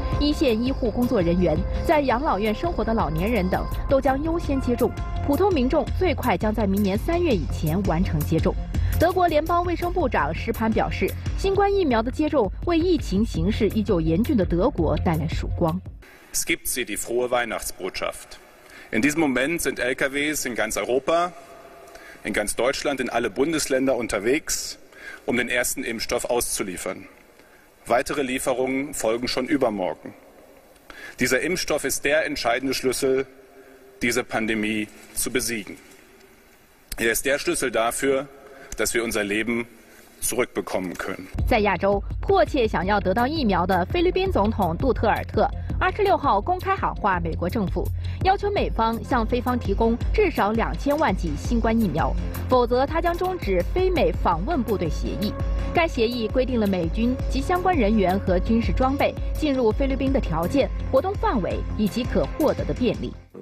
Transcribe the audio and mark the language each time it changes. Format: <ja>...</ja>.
<zh>一线医护工作人员、在养老院生活的老年人等都将优先接种，普通民众最快将在明年3月以前完成接种。德国联邦卫生部长施潘表示，新冠疫苗的接种为疫情形势依旧严峻的德国带来曙光。</zh> <de>Es gibt sie die frohe Weihnachtsbotschaft. In diesem Moment sind LKWs in ganz Europa, in ganz Deutschland, in alle Bundesländer unterwegs, um den ersten Impfstoff auszuliefern. Weitere Lieferungen folgen schon übermorgen. Dieser Impfstoff ist der entscheidende Schlüssel, diese Pandemie zu besiegen. Er ist der Schlüssel dafür,dass wir unser Leben zurückbekommen können.</de> <zh>在亚洲，迫切想要得到疫苗的菲律宾总统杜特尔特26号公开喊话美国政府，要求美方向菲方提供至少2000万剂新冠疫苗，否则他将终止非美访问部队协议。该协议规定了美军及相关人员和军事装备进入菲律宾的条件、活动范围以及可获得的便利。</zh>